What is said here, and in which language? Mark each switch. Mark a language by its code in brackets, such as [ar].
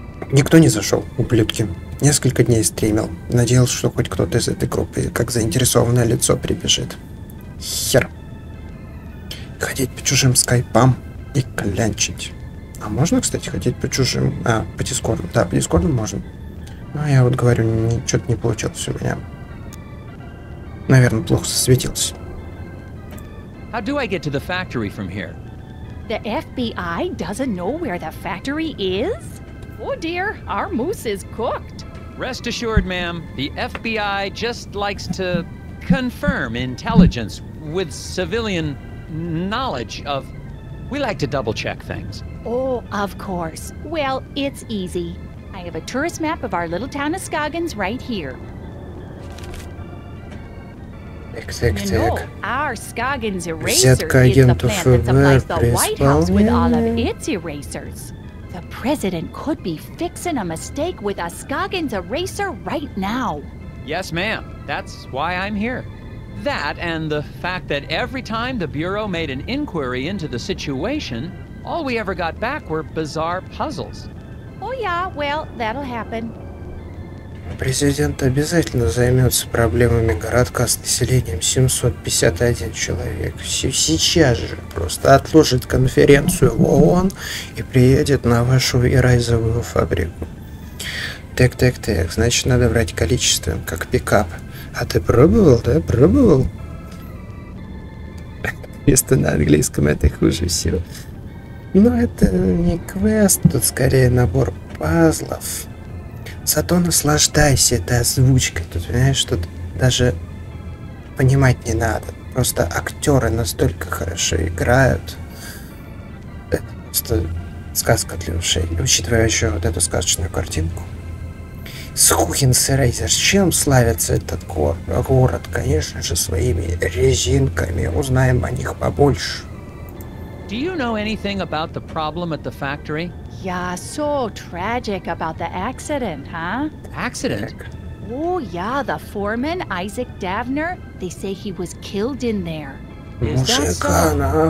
[ru] Никто не зашел, ублюдки. Несколько дней стримил. Надеялся, что хоть кто-то из этой группы, как заинтересованное лицо, прибежит. Хер. Ходить по чужим скайпам и клянчить. А можно, кстати, ходить по чужим... А, по дискорду. Да, по дискорду можно. Но я вот говорю, ничего-то не получилось у меня. Наверное, плохо засветился. [en] How do I get to the factory from here? The FBI doesn't know where the factory is? Oh dear, our moose is cooked. Rest assured, ma'am, the FBI just likes to confirm intelligence with civilian... knowledge of... We like to double-check things. Oh, of course. Well, it's easy. I have a tourist map of our little town of Scoggins right here. Эк-эк-эк. Our Scoggins eraser is the plant that supplies the White House with all of its erasers. The president could be fixing a mistake with a Scoggins eraser right now. Yes, ma'am. That's why I'm here. That and the fact that every time the Bureau made an inquiry into the situation, all we ever got back were bizarre puzzles. Oh yeah, well, that'll happen. [ru] Президент обязательно займется проблемами городка с населением 751 человек. Сейчас же просто отложит конференцию в ООН и приедет на вашу эрайзовую фабрику. Так, так, так, значит, надо брать количеством, как пикап. А ты пробовал, да? Пробовал? Если на английском, это хуже всего. Но это не квест, тут скорее набор пазлов. Зато наслаждайся этой озвучкой. Тут, понимаешь, что даже понимать не надо. Просто актеры настолько хорошо играют. Это просто сказка для ушей. Учитывая еще вот эту сказочную картинку. Схухинс и Рейзерс. Чем славится этот город? Конечно же, своими резинками. Узнаем о них побольше. Do you know anything about the problem at the factory? Yeah, so tragic about the accident, huh? Accident? Oh yeah, the foreman, Isaac Davner, they say he was killed in there. Мужика на